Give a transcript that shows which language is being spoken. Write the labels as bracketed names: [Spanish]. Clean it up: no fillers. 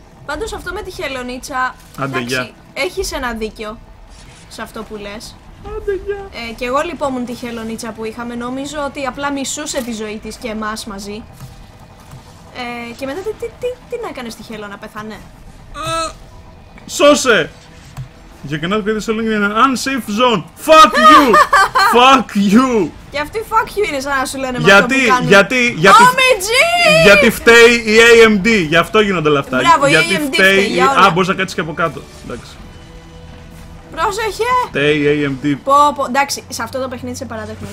[Greek] Πάντως αυτό με τη χελονίτσα, εντάξει, έχεις ένα δίκιο σε αυτό που λες. Άντε για. Και εγώ λυπόμουν τη χελονίτσα που είχαμε, νομίζω ότι απλά μισούσε τη ζωή της και εμάς μαζί. Και μετά τι να έκανες τη χελώνα, πεθανέ. Σώσε! [English] You cannot create a link in an unsafe zone. Fuck you! Fuck you! [Greek] Και αυτή [English] fuck you [Greek] είναι σαν να σου λένε γιατί, με αυτό που γιατί, κάνουν. Γιατί, γιατί φταίει η AMD. Γι' αυτό γίνονται όλα αυτά. Μπράβο, γιατί η AMD φταίει η... Α, μπορείς να κάτσεις και από κάτω. Εντάξει. Πρόσεχε! Φταίει η AMD. Πω, εντάξει, σε αυτό το παιχνίδι σε παρατεχνίσαι.